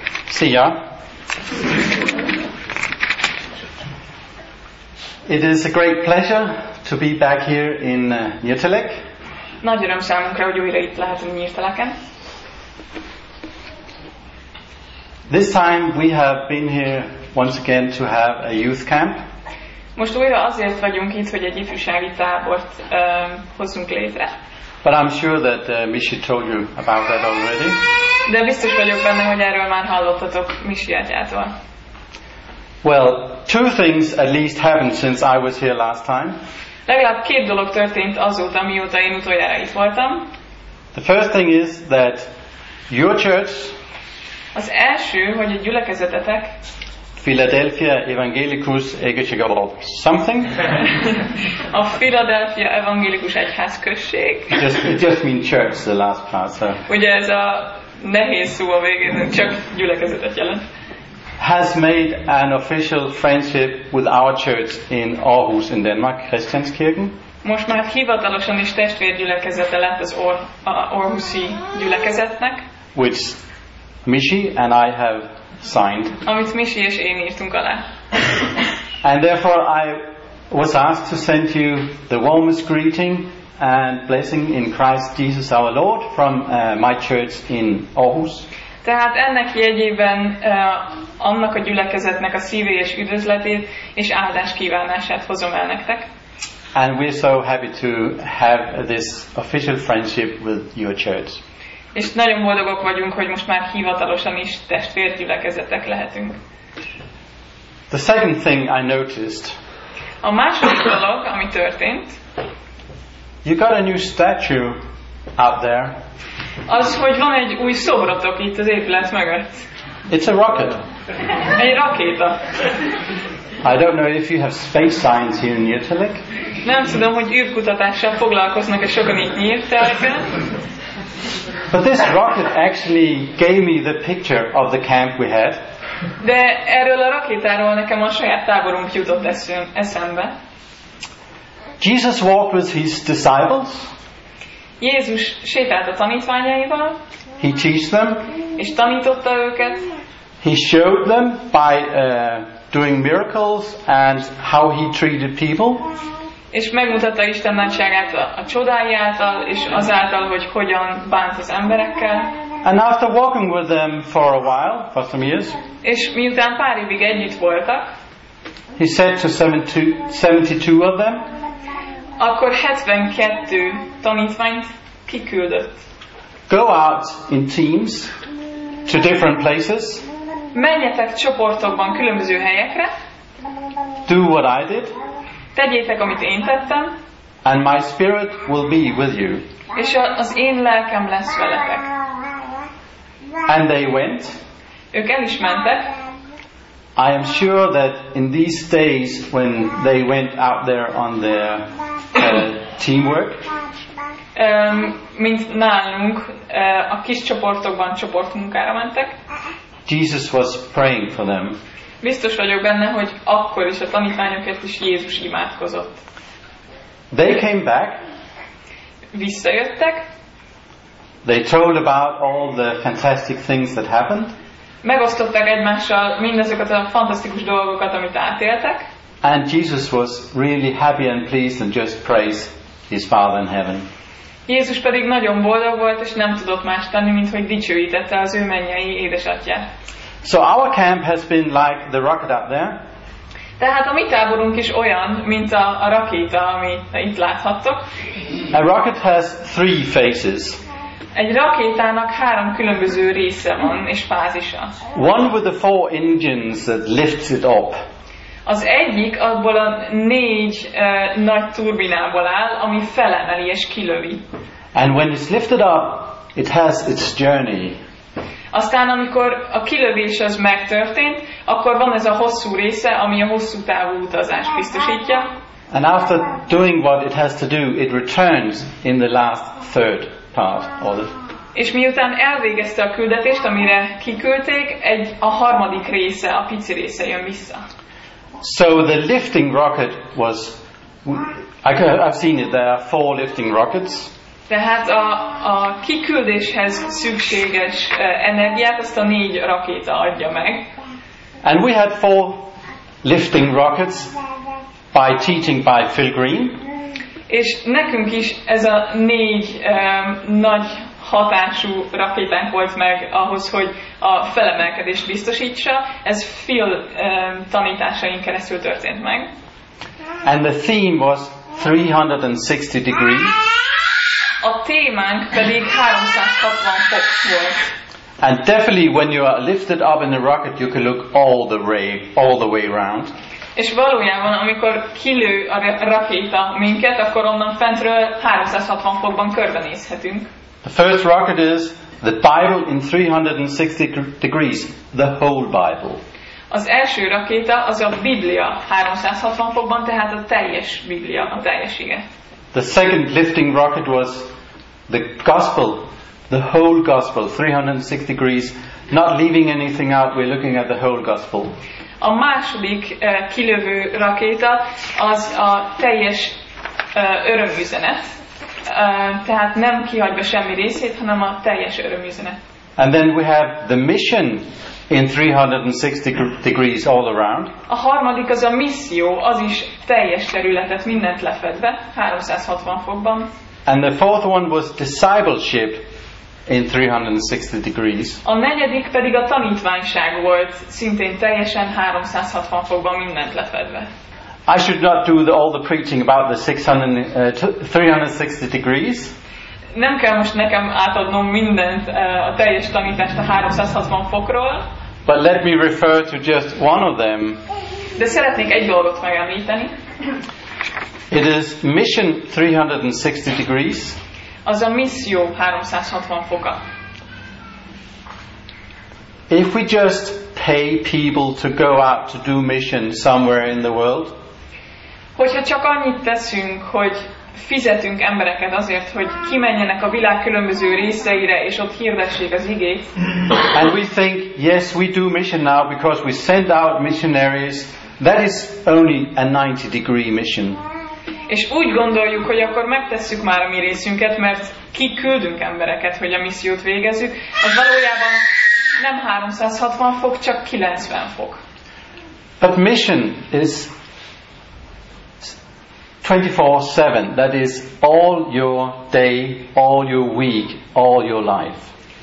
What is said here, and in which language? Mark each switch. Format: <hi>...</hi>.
<hu>Szia!</hu> <en>It is a great pleasure to be back here in Nyírtelek.</en> <hu>Nagy öröm számunkra, hogy újra itt lehetünk Nyírteleken.</hu> <en>This time we have been here once again to have a youth camp.</en> <hu>Most újra azért vagyunk itt, hogy egy ifjúsági tábort hozzunk létre.</hu> <en>But I'm sure that Misi told you about that already.</en> <hu>De biztos vagyok benne, hogy erről már hallottatok Misi atyától.</hu> <en>Well, two things at least happened since I was here last time.</en> <hu>Legalább két dolog történt azóta, mióta én utoljára itt voltam.</hu> <en>The first thing is that your church,</en> <hu>az első, hogy a gyülekezetetek,</hu> <en>Philadelphia Evangelicus Egyesége, something.</en> <hu>A Philadelphia Evangelikus Egyházközség.</hu> <en>It just means church, the last part. So.</en> <hu>Ugye ez a nehéz szó a végén, csak gyülekezetet jelent.</hu> <en>Has made an official friendship with our church in Aarhus in Denmark, Christianskirken.</en> <hu>Most már hivatalosan is testvérgyülekezete lett az Aarhusi gyülekezetnek.</hu> <en>Which Misi and I have signed.</en> <hu>Amit Misi és én írtunk alá.</hu> <en>And therefore I was asked to send you the warmest greeting and blessing in Christ Jesus our Lord from my church in Aarhus.</en> <hu>Tehát ennek jegyében annak a gyülekezetnek a szívélyes üdvözletét és áldás kívánását hozom el nektek.</hu> <en>And we're so happy to have this official friendship with your church.</en> <hu>És nagyon boldogok vagyunk, hogy most már hivatalosan is testvérgyülekezetek lehetünk.</hu> <en>The second thing I noticed.</en> <hu>A második dolog, ami történt.</hu> <en>You got a new statue up there.</en> <hu>Az, hogy van egy új szobrotok itt az épület mögött.</hu> <en>It's a rocket.</en> <hu>Egy rakéta.</hu> <en>I don't know if you have space science here in Nyírtelek.</en> <hu>Nem tudom, hogy űrkutatással foglalkoznak-e sokan itt Nyírtelekben.</hu> <en>But this rocket actually gave me the picture of the camp we had.</en> <hu>De erről a rakétáról nekem a saját táborunk jutott eszembe.</hu> <en>Jesus walked with his disciples.</en> <hu>Jézus sétált a tanítványaival.</hu> <en>He teached them.</en> <hu>És tanította őket.</hu> <en>He showed them by doing miracles and how he treated people.</en> <hu>És megmutatta Isten nagyságát a csodái által, és azáltal, hogy hogyan bánt az emberekkel.</hu> <en>And after walking with them for a while, for some years,</en> <hu>és miután pár évig együtt voltak,</hu> <en>he said to 72 of them,</en> <hu>akkor 72 tanítványt kiküldött.</hu> <en>Go out in teams to different places.</en> <hu>Menjetek csoportokban különböző helyekre.</hu> <en>Do what I did.</en> <hu>Tegyétek, amit én tettem.</hu> <en>And my spirit will be with you.</en> <hu>És az én lelkem lesz veletek.</hu> <en>And they went.</en> <hu>Ők el is mentek.</hu> <en>I am sure that in these days when they went out there on their teamwork.</en> <hu>Mint nálunk, a kis csoportokban csoportmunkára mentek.</hu> <en>Jesus was praying for them.</en> <hu>Biztos vagyok benne, hogy akkor is a tanítványokért is Jézus imádkozott.</hu> <en>They came back.</en> <hu>Visszajöttek.</hu> <en>They told about all the fantastic things that happened.</en> <hu>Megosztották egymással mindezeket a fantasztikus dolgokat, amit átéltek.</hu> <en>And Jesus was really happy and pleased and just praised his Father in heaven.</en> <hu>Jézus pedig nagyon boldog volt, és nem tudott más tenni, mint hogy dicsőítette az ő mennyei édesatját.</hu> <en>So our camp has been like the rocket up there.</en> <hu>Tehát a mi táborunk is olyan, mint a rakéta, ami itt láthattok.</hu> <en>A rocket has three phases.</en> <hu>Egy rakétának három különböző része van és fázisa.</hu> <en>One with the four engines that lifts it up.</en> <hu>Az egyik abból a négy nagy turbinából áll, ami felemeli és kilövi.</hu> <en>And when it's lifted up, it has its journey.</en> <hu>Aztán amikor a kilövés az megtörtént, akkor van ez a hosszú része, ami a hosszú távú utazást biztosítja.</hu> <en>And after doing what it has to do, it returns in the last third part of it.</en> <hu>És miután elvégezte a küldetést, amire kiküldték, a harmadik része, a pici része jön vissza.</hu> <en>So the lifting rocket was, I've seen it, there are four lifting rockets.</en> <hu>Tehát a kiküldéshez szükséges energiát azt a négy rakéta adja meg.</hu> <en>And we had four lifting rockets by teaching by Phil Green.</en> <hu>És nekünk is ez a négy nagy hatású rakétánk volt meg ahhoz, hogy a felemelkedést biztosítsa. Ez Phil tanításain keresztül történt meg.</hu> <en>And the theme was 360 degrees.</en> <hu>A témánk pedig 360 fok volt.</hu> <en>And definitely when you are lifted up in a rocket you can look all the way around.</en> <hu>És valójában amikor kilő a rakéta minket, akkor onnan fentről 360 fokban körbenézhetünk.</hu> <en>The first rocket is the Bible in 360 degrees, the whole Bible.</en> <hu>Az első rakéta az a Biblia 360 fokban, tehát a teljes Biblia, a teljesége.</hu> <en>The second lifting rocket was the gospel, the whole gospel, 360 degrees, not leaving anything out, we're looking at the whole gospel.</en> <hu>A második kilövő rakéta az a teljes örömüzenet, tehát nem kihagyva semmi részét, hanem a teljes örömüzenet.</hu> <en>And then we have the mission in 360 degrees all around.</en> <hu>A harmadik az a misszió, az is teljes területet, mindent lefedve, 360 fokban.</hu> <en>And the fourth one was discipleship in 360 degrees.</en> <hu>A negyedik pedig a tanítványság volt, szintén teljesen 360 fokban mindent lefedve.</hu> <en>I should not do all the preaching about the 360 degrees.</en> <hu>Nem kell most nekem átadnom mindent a teljes tanítást a 360 fokról.</hu> <en>But let me refer to just one of them.</en> <hu>De szeretnék egy dolgot megemlíteni.</hu> <en>It is mission 360 degrees.</en> <hu>Az a misszió 360 foka.</hu> <en>If we just pay people to go out to do mission somewhere in the world.</en> <hu>Hogyha csak annyit teszünk, hogy fizetünk embereket azért, hogy kimenjenek a világ különböző részeire és ott hirdessék az igét.</hu> <en>And we think, yes, we do mission now because we send out missionaries. That is only a 90 degree mission.</en> <hu>És úgy gondoljuk, hogy akkor megtesszük már a mi részünket, mert kiküldünk embereket, hogy a missziót végezzük. Az valójában nem 360 fok, csak 90 fok.</hu> <en>But mission is 24/7, that is all your day, all your week, all your life.</en>